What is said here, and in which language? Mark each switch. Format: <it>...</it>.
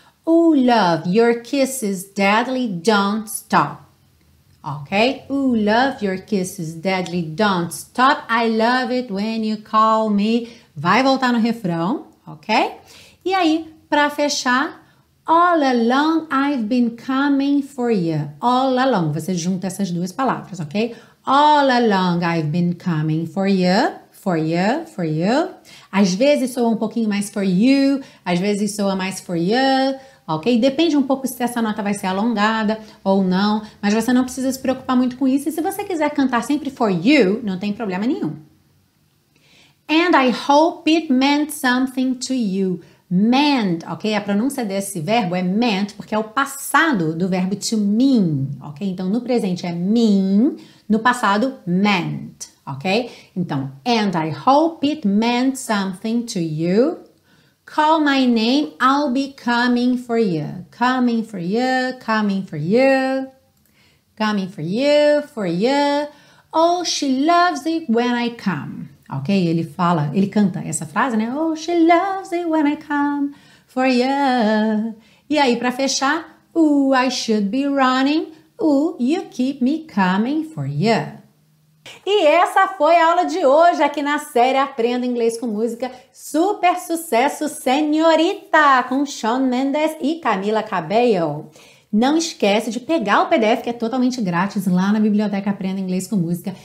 <en>Ooh, love, your kisses deadly, don't stop. Okay? Ooh, love, your kisses deadly, don't stop. I love it when you call me.</en> <pt>Vai voltar no refrão, ok? E aí, pra fechar,</pt> <en>all along I've been coming for you.</en> <pt>All along, você junta essas duas palavras, ok?</pt> <en>All along I've been coming for you, for you, for you.</en> <pt>Às vezes soa um pouquinho mais for you, às vezes soa mais for you, ok? Depende um pouco se essa nota vai ser alongada ou não, mas você não precisa se preocupar muito com isso. E se você quiser cantar sempre for you, não tem problema nenhum.</pt> <en>And I hope it meant something to you. Meant, ok?</en> <pt>A pronúncia desse verbo é meant, porque é o passado do verbo to mean, ok? Então, no presente é mean, no passado, meant, ok? Então,</pt> <en>and I hope it meant something to you. Call my name, I'll be coming for you. Coming for you, coming for you. Coming for you, for you. Oh, she loves it when I come. Ok?</en> <pt>Ele fala, ele canta essa frase, né?</pt> <en>Oh, she loves it when I come for you.</en> <pt>E aí, pra fechar,</pt> <en>ooh, I should be running. Ooh, you keep me coming for you.</en> <pt>E essa foi a aula de hoje aqui na série Aprenda Inglês com Música. Super sucesso, Senhorita! Com Shawn Mendes e Camila Cabello. Não esquece de pegar o PDF, que é totalmente grátis, lá na Biblioteca Aprenda Inglês com Música.</pt>